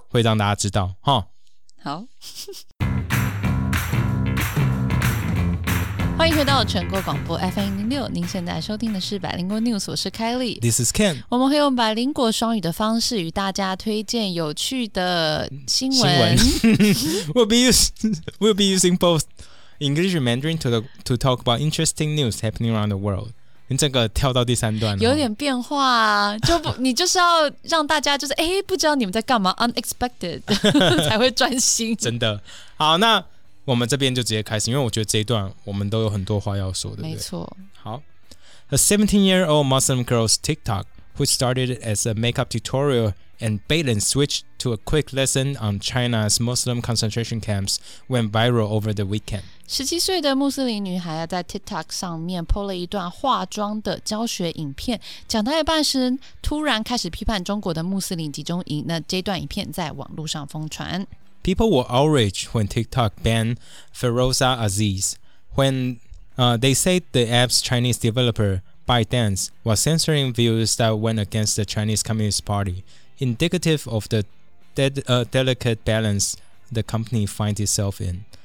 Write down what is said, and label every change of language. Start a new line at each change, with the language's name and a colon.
Chinese: 会让大家知道哈。好。欢迎回到全国广播 FM106， 您现在收听的是百灵果 News， 我是凯莉。
English: This is Ken，
Chinese: 我们会用百灵果双语的方式与大家推荐有趣的新闻。
English: we'll be using both English and Mandarin to talk about interesting news happening around the world。
Chinese: 你这个跳到第三段有点变化、啊、就不你就是要让大家就是不知道你们在干嘛
English: unexpected
Chinese: 才会专心。真的好，那我们这边就直接开始，因为我觉得这一段我们都有很多话要说，对不对？没错。
English: 好， A 17-year-old Muslim girl's TikTok, who started as a makeup tutorial and bait and switched to a quick lesson on China's Muslim concentration camps, went viral over the weekend.
Chinese: 17岁的穆斯林女孩在 TikTok 上面 po 了一段化妆的教学影片，讲到一半时突然开始批判中国的穆斯林集中营，那这段影片在网络上疯传。
English: People were outraged when TikTok banned Feroza Aziz, when they said the app's Chinese developer, ByteDance, was censoring views that went against the Chinese Communist Party, indicative of the delicate balance the company finds itself in.